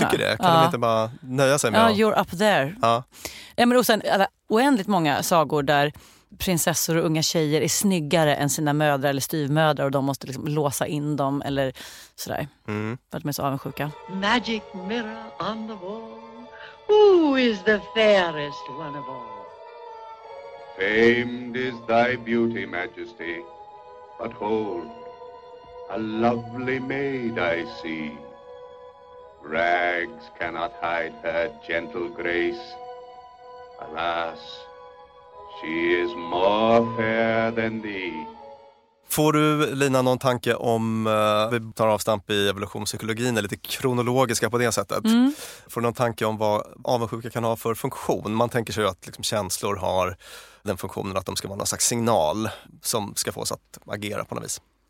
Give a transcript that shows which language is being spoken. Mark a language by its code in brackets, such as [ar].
[sv] Jag tycker det. Kan de inte bara nöja sig med [en] You're up there. [sv] Ja, men sen, oändligt många sagor där prinsessor och unga tjejer är snyggare än sina mödrar eller styvmödrar och de måste liksom låsa in dem eller sådär. Mm. För att de är så avundsjuka. [en] Magic mirror on the wall. Who is the fairest one of all? Famed is thy beauty, majesty. But hold, a lovely maid I see. Rags cannot hide her gentle grace. Alas, she is more fair than thee. [sv] Får du, Lina, någon tanke om, vi tar avstamp i evolutionspsykologin, är lite kronologiska på det sättet. Mm. Får du någon tanke om vad avundsjuka kan ha för funktion? Man tänker sig ju att liksom, känslor har den funktionen att de ska vara någon slags signal som ska få oss att agera på något vis.